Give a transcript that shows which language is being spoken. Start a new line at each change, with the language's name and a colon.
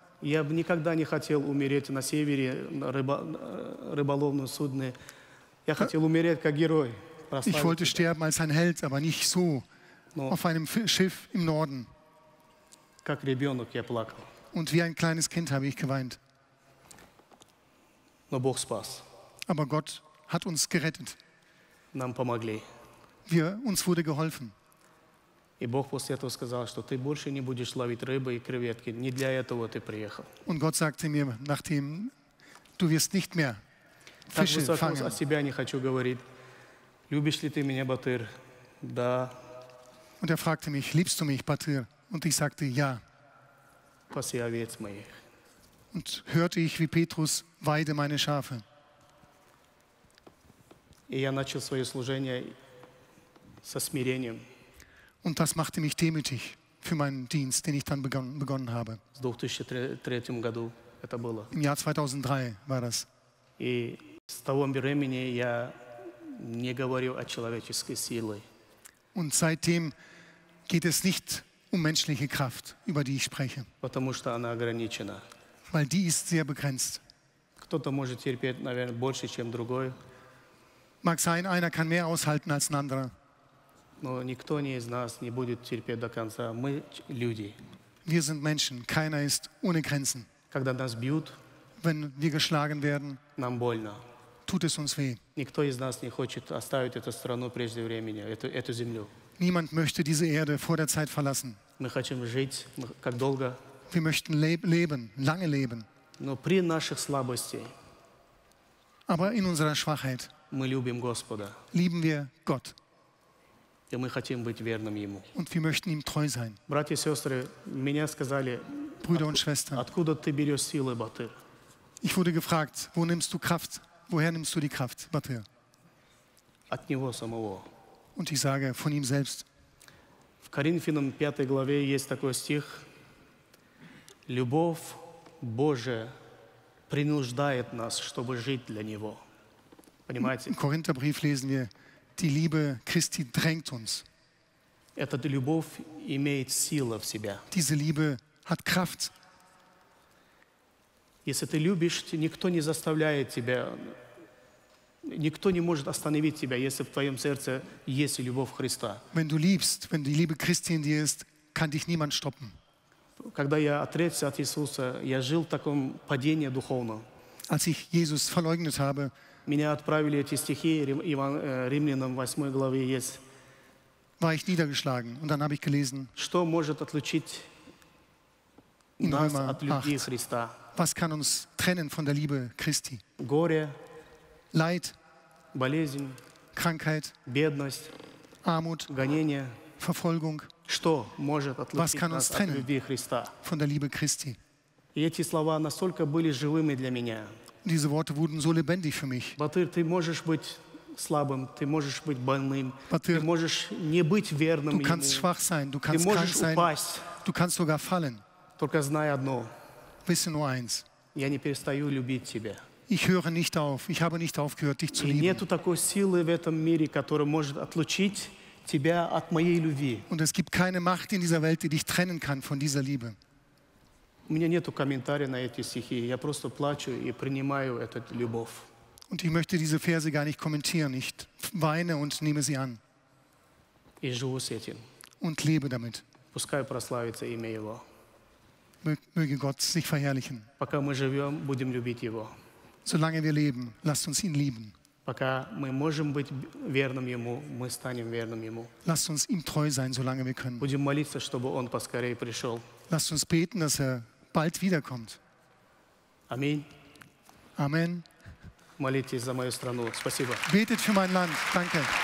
Russian: Я бы никогда не хотел умереть на севере рыболовном судне. Я хотел умереть как герой.
German: Ich wollte sterben als ein Held, aber nicht so.
Russian: Но
German: auf einem Schiff im Norden.
Russian: Как ребенок я плакал.
German: Und wie ein kleines Kind habe ich geweint.
Russian: Но Бог спас.
German: Aber Gott hat uns gerettet.
Russian: Нам помогли.
German: Uns wurde geholfen.
Russian: И Бог после этого сказал, что ты больше не будешь ловить рыбы и креветки. Не для этого ты приехал.
German: Und Gott sagte mir, nachdem du wirst nicht mehr Fische fangen.
Russian: О себя не хочу говорить. Любишь ли ты меня, Батыр? Да.
German: Und fragte mich, liebst du mich, Батыр? Und ich sagte, ja.
Russian: Паси овец моих.
German: Und hörte ich, wie Petrus weide meine Schafe.
Russian: И я начал свое служение со смирением.
German: Und das machte mich demütig für meinen Dienst, den ich dann begonnen habe.
Russian: В 2003 году это было.
German: Im Jahr 2003 war das.
Russian: И с того времени я не говорю о человеческой силе.
German: Und seitdem geht es nicht um menschliche Kraft, über die ich spreche.
Russian: Потому что она ограничена.
German: Weil die ist sehr begrenzt.
Russian: Кто-то может терпеть, наверное, больше, чем другой.
German: Mag sein, einer kann mehr aushalten als ein anderer.
Russian: Но никто не из нас не будет терпеть до конца. Мы люди.
German: Wir sind Menschen. Keiner ist ohne Grenzen.
Russian: Когда нас бьют,
German: wenn wir geschlagen werden,
Russian: нам больно.
German: Tut es uns weh.
Russian: Никто из нас не хочет оставить эту страну прежде времени, эту землю.
German: Niemand möchte diese Erde vor der Zeit verlassen.
Russian: Мы хотим жить, как долго.
German: Wir möchten leben, lange leben.
Russian: Но при наших слабостей,
German: aber in unserer Schwachheit,
Russian: мы любим Господа.
German: Lieben wir Gott.
Russian: И мы хотим быть верным Ему.
German: Und wir möchten ihm treu sein.
Russian: Братья и сестры, меня сказали,
German: Brüder und Schwestern,
Russian: откуда ты берешь силы, Батыр?
German: Ich wurde gefragt, wo nimmst du Kraft? Woher nimmst du die Kraft, Батыр?
Russian: От него самого.
German: Und ich sage, von ihm selbst.
Russian: В Коринфянам 5 главе есть такой стих. Любовь Божия принуждает нас, чтобы жить для Него. Понимаете? В Коринфянам
German: lesen wir, die Liebe Christi drängt uns.
Russian: Эта любовь имеет силу в себя.
German: Diese Liebe hat Kraft.
Russian: Если ты любишь, никто не заставляет тебя, никто не может остановить тебя, если в твоем сердце есть любовь Христа.
German: Wenn du liebst, wenn die Liebe Christi in dir ist, kann dich niemand stoppen.
Russian: Когда я отрекся от Иисуса, я жил в таком падении духовном.
German: Als ich Jesus verleugnet habe,
Russian: меня отправили эти стихи, Римлянам 8 главе есть.
German: War ich niedergeschlagen und dann habe ich gelesen.
Russian: Что может отлучить нас от любви Христа?
German: Was kann uns trennen von der Liebe Christi?
Russian: Горе,
German: Leid,
Russian: болезнь,
German: Krankheit,
Russian: бедность,
German: Armut,
Russian: гонение,
German: Verfolgung.
Russian: Что может отлучить нас от любви Христа?
German: Von der Liebe Christi?
Russian: И эти слова настолько были живыми для меня.
German: Diese Worte wurden so lebendig für mich.
Russian: Батыр, ты можешь быть слабым, ты можешь быть больным, Батыр, ты можешь не быть верным.
German: Du kannst
Russian: ему.
German: Schwach sein, du kannst
Russian: ты можешь
German: krank sein,
Russian: упасть.
German: Du kannst sogar fallen.
Russian: Только знай одно.
German: Wisse nur eins.
Russian: Я не перестаю любить тебя.
German: Ich höre nicht auf. Ich habe nicht aufgehört, dich zu lieben.
Russian: Нету такой силы в этом мире, которая может отлучить тебя от моей любви.
German: Und es gibt keine Macht in dieser Welt, die dich trennen kann von dieser Liebe.
Russian: У меня нету комментария на эти стихи. Я просто плачу и принимаю эту любовь.
German: Und ich möchte diese Verse gar nicht kommentieren. Ich weine und nehme sie an.
Russian: И живу с этим.
German: Und lebe damit.
Russian: Пускай прославится имя Его.
German: Möge Gott sich verherrlichen.
Russian: Пока мы живем, будем любить Его.
German: Solange wir leben, lasst uns ihn lieben.
Russian: Пока мы можем быть верным Ему, мы станем верным Ему.
German: Lasst uns ihm treu sein, solange wir können.
Russian: Будем молиться, чтобы Он поскорее пришел.
German: Lasst uns beten, dass er bald wiederkommt. Amen. Amen.
Russian: Молитесь за мою страну. Спасибо.
German: Betet für mein Land. Danke.